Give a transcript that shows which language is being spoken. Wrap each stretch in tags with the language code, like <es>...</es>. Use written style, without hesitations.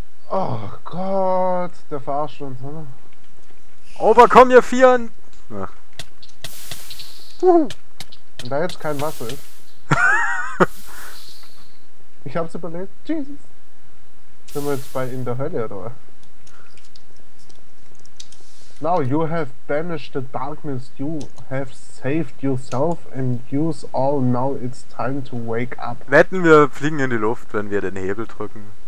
<de>Oh Gott, der verarscht uns, oder? Overcome, ihr Vieren! Und da jetzt kein Wasser ist. Ich hab's überlebt. Jesus! Sind wir jetzt bei in der Hölle, oder?</de> <en>Now you have banished the darkness, you have saved yourself and use all, now it's time to wake up.</en> <de>Wetten, wir fliegen in die Luft, wenn wir den Hebel drücken.</de>